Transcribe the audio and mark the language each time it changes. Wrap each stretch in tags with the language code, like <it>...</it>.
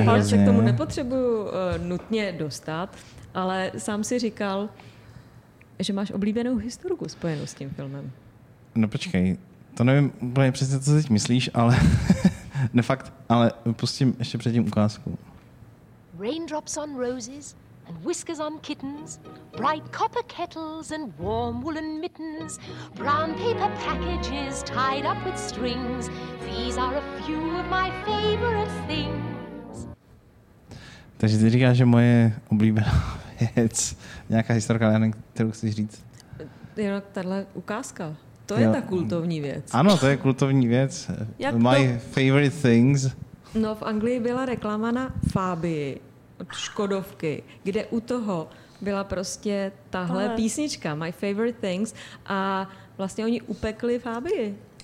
<cs>Ne, ale se k tomu nepotřebuju nutně dostat, ale sám si říkal, že máš oblíbenou historku spojenou s tím filmem. No počkej, to nevím úplně přesně, co teď myslíš, ale ne fakt, ale pustím ještě předtím ukázku.</cs> <en>Raindrops on roses and whiskers on kittens, bright copper kettles and warm woolen mittens, brown paper packages tied up with strings, these are a few of my favorite things.</en> <cs>Takže ty říkáš, že moje oblíbená věc, nějaká historka, kterou chceš říct. Jenom tahle ukázka. To je ta kultovní věc. Ano, to je kultovní věc. Favorite things. No, v Anglii byla reklama na Fabii od Škodovky, kde u toho byla prostě tahle písnička, My Favorite Things, a vlastně oni upekli Fabii.</cs>